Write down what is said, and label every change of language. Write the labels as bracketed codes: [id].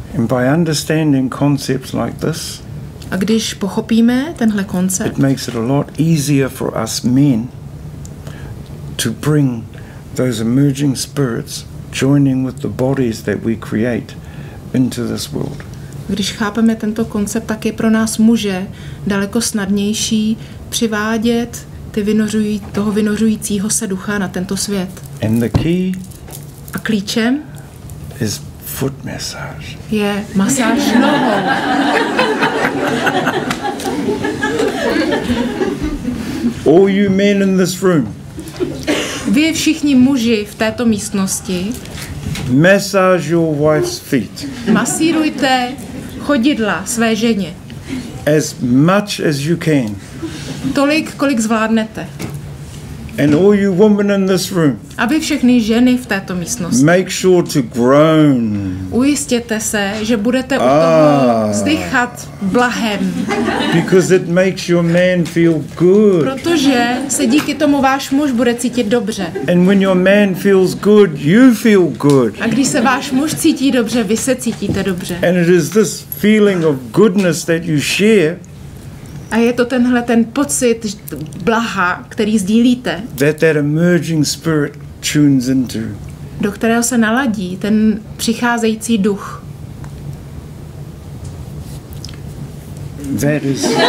[en] And by understanding concepts like this. [cs] A když pochopíme tenhle koncept. [en] It makes it a lot easier for us men to bring those emerging spirits joining with the bodies that we create into this world. [cs] Když chápeme tento koncept, tak je pro nás muže daleko snadnější přivádět toho vynořujícího se ducha na tento svět. [en] And the key [cs] a klíčem [en] is foot massage. [cs] Je masáž nohou. [en] All you men in this room. [cs] Vy všichni muži v této místnosti. [en] Massage your wife's feet. [cs] Masírujte chodidla své ženě. [en] As much as you can. [cs] Tolik, kolik zvládnete. [en] And all you women in this room. [cs] Aby všechny ženy v této místnosti. [en] Make sure to groan. [cs] Ujistěte se, že budete u toho vzdychat blahem. [en] Because it makes your man feel good. [cs] Protože se díky tomu váš muž bude cítit dobře. [en] And when your man feels good, you feel good. [cs] A když se váš muž cítí dobře, vy se cítíte dobře. [en] And it is this feeling of goodness that you share. [cs] A je to tenhle ten pocit blaha, který sdílíte. [en] That emerging spirit tunes into. [cs] Do kterého se naladí ten přicházející duch. [en] That is...